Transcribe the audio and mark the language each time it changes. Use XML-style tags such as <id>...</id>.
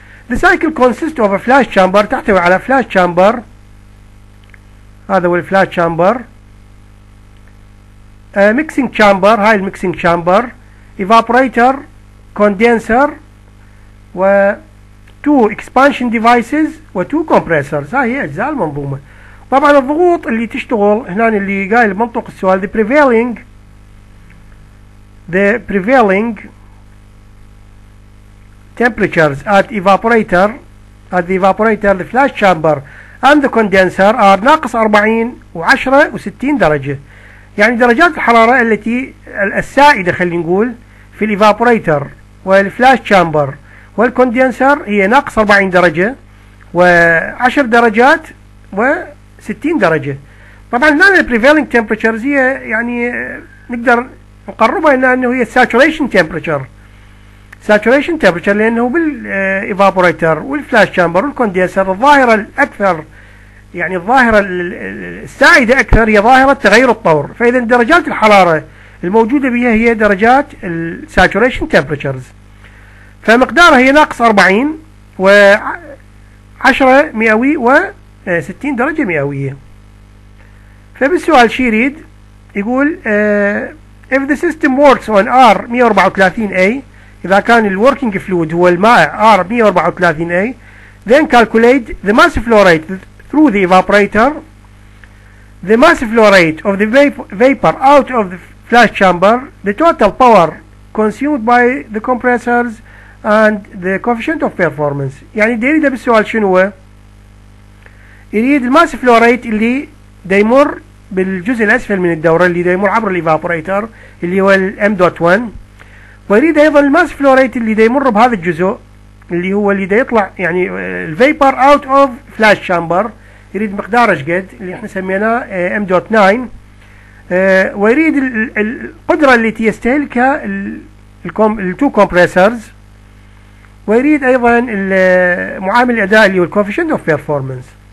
<en>The cycle consists of a flash chamber.</en> <ar>تحتوي على flash chamber. هذا هو flash chamber.</ar> <en>Mixing chamber. هاي mixing chamber. Evaporator. Condenser. و two expansion devices.</en> <ar>و</ar> <en>two compressors.</en> <ar>هاي أجزاء المنظومة. طبعا الضغوط اللي تشتغل هنا اللي قايل منطق السؤال.</ar> <en>The prevailing temperatures at evaporator, the flash chamber and the condenser are</en> <ar>ناقص 40 و10 و60 درجة. يعني درجات الحرارة التي السائدة خلينا نقول في الإيفابوريتر والفلاش تشامبر والكوندينسر هي ناقص 40 درجة و10 درجات و60 درجة. طبعا هنا prevailing temperatures هي يعني نقدر نقربها انه هي saturation temperature. Saturation temperature لأنه بالإيفابوريتر والفلاش شامبر والكوندينسر الظاهرة الأكثر يعني الظاهرة السائدة أكثر هي ظاهرة تغير الطور. فإذا درجات الحرارة الموجودة بها هي درجات الساتوريشن تمبرتشرز، فمقدارها هي ناقص 40 و 10 مئوي و 60 درجة مئوية. فبالسؤال شي يريد يقول</ar> <en>if the system works on R134A</en> <ar>إذا كان الوركينج فلويد هو المائع R134A</ar> <en>then calculate the mass flow rate through the evaporator, the mass flow rate of the vapor out of the flash chamber, the total power consumed by the compressors and the coefficient of performance.</en> <ar>يعني دي يريد بالسؤال شنو يريد الماس فلو ريت اللي دي يمر بالجزء الأسفل من الدورة اللي دي يمر عبر الإيفابوريتر اللي هو M.1، ويريد ايضا الماس فلو ريت اللي دا يمر بهذا الجزء اللي هو اللي دا يطلع يعني الفيبر اوت اوف فلاش شامبر، يريد مقدار ايش قد اللي احنا سميناه M.9، ويريد القدره التي يستهلكها التو كومبريسرز، ويريد ايضا معامل الاداء اللي هو الكوفيشنت اوف بيرفورمانس.</ar>